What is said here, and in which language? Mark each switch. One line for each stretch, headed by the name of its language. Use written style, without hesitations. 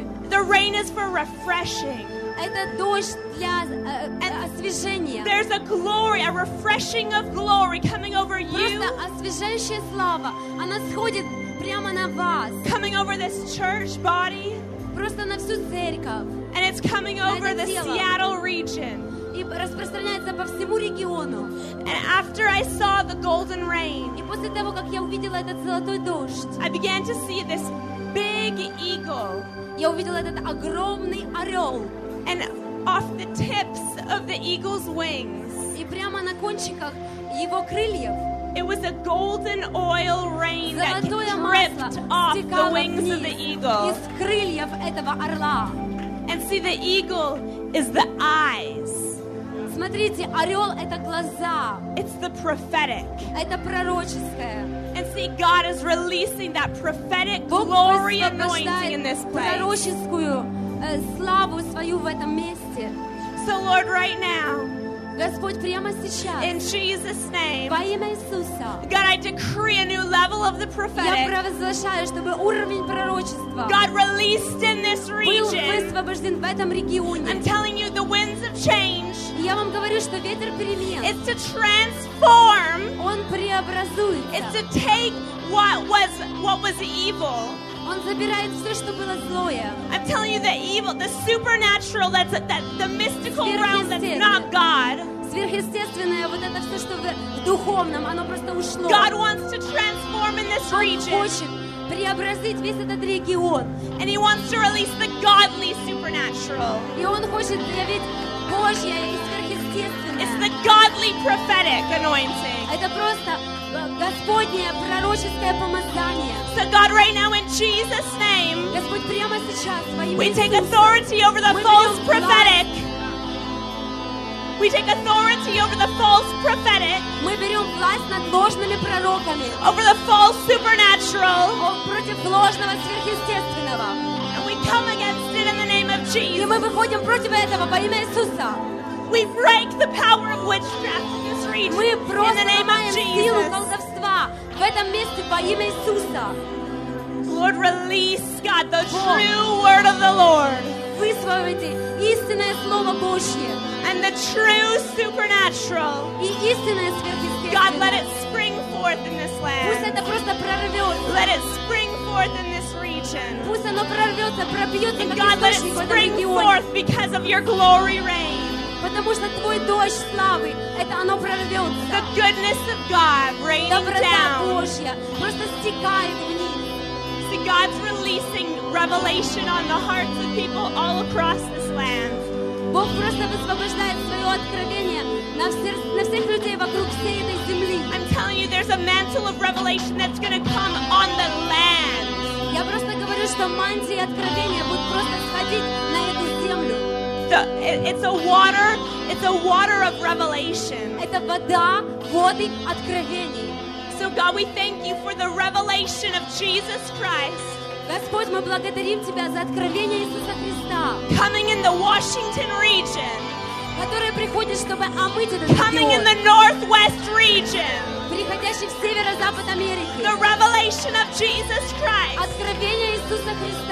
English: The rain is for refreshing.
Russian: это дождь для освежения.
English: There's a glory, a refreshing of glory coming over you.
Russian: Просто освежающая слава, она сходит прямо на вас.
English: Coming over this church body.
Russian: Просто на всю церковь.
English: And it's coming over the Seattle region.
Russian: И распространяется по всему региону.
English: And after I saw the golden rain.
Russian: И после того, как я увидела этот золотой дождь.
English: I began to see this big eagle.
Russian: Я увидела этот огромный орел.
English: And off the tips of the eagle's wings.
Russian: И прямо на кончиках его крыльев.
English: It was a golden oil rain that dripped off the wings of the eagle.
Russian: Из крыльев этого орла.
English: And see, the eagle is the eyes.
Russian: Смотрите, орел — это глаза.
English: It's the prophetic.
Russian: Это пророческое.
English: And see, God is releasing that prophetic glory anointing in this place.
Russian: Бог высвобождает пророческую славу свою в этом месте.
English: So, Lord, right now,
Russian: Господь, прямо сейчас,
English: in Jesus' name,
Russian: во имя Иисуса,
English: God, I decree a new level of the prophetic.
Russian: Я провозглашаю, чтобы уровень пророчества
English: God released in this region.
Russian: Был высвобожден в этом регионе.
English: I'm telling you, the winds of change.
Russian: Я вам говорю, что ветер перемен.
English: It's to transform.
Russian: Он преобразует.
English: It's to take what was evil.
Russian: Он забирает все, что было злое.
English: I'm telling you, the evil, the supernatural, that's that the mystical realm, that's not God.
Russian: Сверхъестественное, вот это все, что в духовном, оно просто ушло.
English: God wants to transform in this region.
Russian: Он хочет преобразить весь этот регион.
English: And he wants to release the godly supernatural.
Russian: И он хочет явить Божье и сверхъестественное.
English: It's the godly prophetic anointing.
Russian: Это просто Господнее пророческое помазание.
English: So God, right now in Jesus' name,
Russian: Господь, прямо сейчас, во имя
English: we
Russian: Иисуса,
English: take authority over the false prophetic. We take authority over the false prophetic.
Russian: Мы берем власть над ложными пророками.
English: Over the false supernatural.
Russian: Против ложного сверхъестественного.
English: And we come against it in the name of Jesus.
Russian: И мы выходим против этого во имя Иисуса.
English: We break the power of witchcraft.
Russian: Мы просто ломаем силу колдовства в этом месте во имя Иисуса.
English: Lord, release, God, the true word of the Lord.
Russian: Высвободите истинное слово Божье.
English: And the true supernatural.
Russian: И истинное сверхъестественное.
English: God, let it spring forth in this land.
Russian: Пусть это просто прорвется.
English: Let it spring forth in this region.
Russian: Пусть оно прорвется, пробьется.
English: And God, let it spring forth because of your glory rain.
Russian: Потому что твой дождь славы, это оно прорвется.
English: The goodness of God raining down.
Russian: Доброта Божья просто стекает вниз.
English: See, God's releasing revelation on the hearts of people all across this land.
Russian: Бог просто высвобождает свое откровение на всех людей вокруг всей этой земли.
English: I'm telling you, there's a mantle of revelation that's going to come on the land.
Russian: Я просто говорю, что мантии откровения будут просто сходить на эту землю.
English: It's a water of revelation.
Russian: Это вода, воды откровений.
English: So God, we thank you for the revelation of Jesus Christ.
Russian: Господь, мы благодарим тебя за откровение Иисуса Христа.
English: Coming in the Washington region.
Russian: Которое приходит, чтобы омыть этот регион.
English: Coming in the Northwest region.
Russian: Приходящий в северо-запад Америки.
English: The revelation of Jesus Christ.
Russian: Откровение Иисуса Христа.